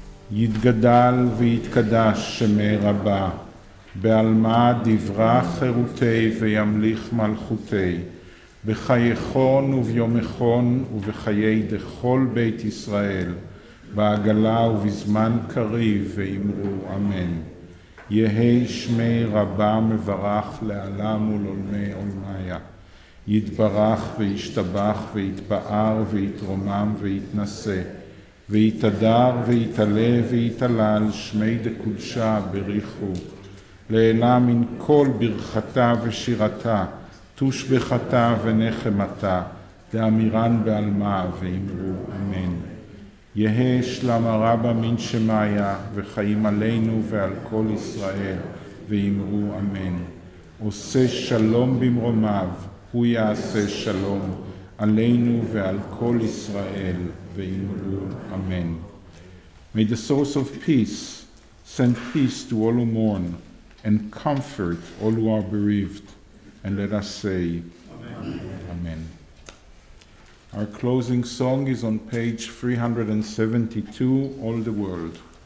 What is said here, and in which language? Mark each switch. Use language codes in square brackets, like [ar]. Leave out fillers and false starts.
[arc] Yidgadal v'yidkadash sheme rabba Be'alma divra cherutei v'yamlich malchutei B'chayechon uv'yomechon uv'chayei dechol beit Yisrael Ba'agala uv'izman kariv v'imru amen יהי שמי רבה מברך לעלם ולעולמי עולמיה. יתברך וישתבח ויתפאר ויתרומם ויתנשא. ויתדר ויתעלה ויתעלל שמי דקודשה בריחו. לעילה מן כל ברכתה ושירתה, תושבחתה ונחמתה, דאמירן בעלמה ואמרו אמן. יהי שלם הרבה מן שמיה וחיים עלינו ועל כל ישראל ואמרו אמן. [he] עושה שלום במרומיו, הוא יעשה שלום עלינו ועל כל ישראל ואמרו אמן. [en] May the source of peace send peace to all who mourn and comfort all who are bereaved, and let us say Amen. Amen. Our closing song is on page 372, All the World.